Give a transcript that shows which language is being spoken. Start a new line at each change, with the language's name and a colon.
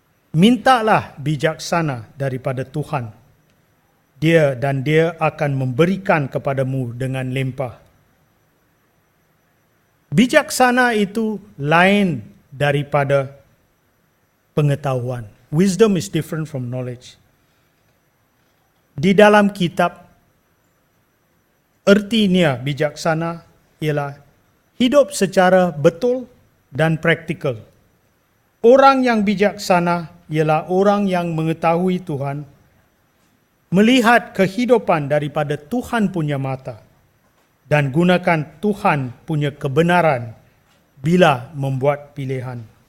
Malay: Mintalah bijaksana daripada Tuhan. Dia dan dia akan memberikan kepadamu dengan limpah. Bijaksana itu lain daripada pengetahuan.
English: Wisdom is different from knowledge.
Malay: Di dalam kitab, ertinya bijaksana ialah hidup secara betul dan praktikal. Orang yang bijaksana ialah orang yang mengetahui Tuhan, melihat kehidupan daripada Tuhan punya mata dan gunakan Tuhan punya kebenaran bila membuat pilihan.